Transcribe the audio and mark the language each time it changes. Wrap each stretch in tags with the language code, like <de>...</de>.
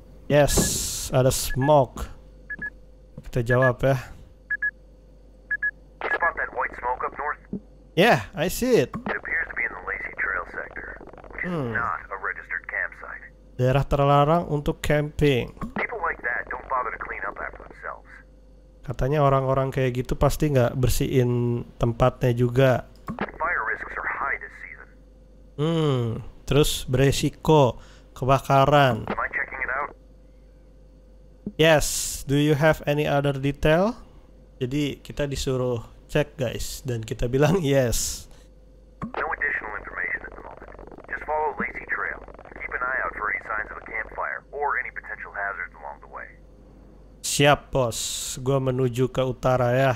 <id>Yes, ada smoke. Kita jawab ya.</id> <en>You spot that white smoke up north? Yeah, I see it. It appears to be in the Lazy Trail sector, which is not a registered campsite.</en> <id>Daerah terlarang untuk camping.</id> <en>People like that don't bother to clean up after themselves.</en> <id>Katanya orang-orang kayak gitu pasti nggak bersihin tempatnya juga.</id> <en>Fire risks are high this season.</en> <id>Terus beresiko kebakaran.</id> <en>Am I checking it out? Yes. Do you have any other detail?</en> <id>Jadi kita disuruh cek guys dan kita bilang yes.</id> <en>No additional information at the moment. Just follow Lazy Trail. Keep an eye out for any signs of a campfire or any potential hazards along the way.</en> <id>Siap bos, gua menuju ke utara ya.</id>